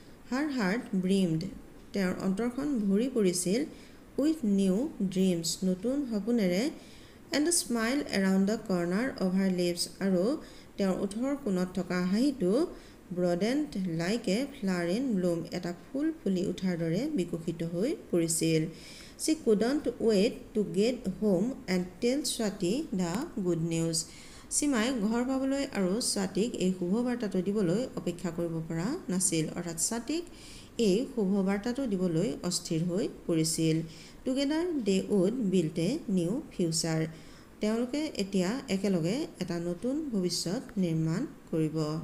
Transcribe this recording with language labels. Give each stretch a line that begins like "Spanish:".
English: her heart brimmed,
Assamese: তেওঁৰ অন্তৰখন ভৰি পৰিছিল
English: with new dreams,
Assamese: নতুন সপোনেৰে।
English: and the smile around the corner of her lips,
Assamese: আৰু তেওঁৰ ওঠৰ কোণত থকা হাঁহিটো
English: broadened like a flower in bloom,
Assamese: এটা ফুল ফুলি উঠাৰ দৰে বিকশিত হৈ পৰিছিল।
English: She couldn't wait to get home and tell Swati the good news.
Assamese: সীমাই ঘৰ পাবলৈ আৰু স্বাতিক এই শুভবাৰ্তাটো দিবলৈ অপেক্ষা কৰিব পৰা নাছিল, অৰ্থাৎ স্বাতিক এই শুভবাৰ্তাটো দিবলৈ অস্থিৰ হৈ পৰিছিল।
English: together they would build a new future,
Assamese: তেওঁলোকে এতিয়া একেলগে এটা নতুন ভৱিষ্যত নিৰ্মাণ কৰিব।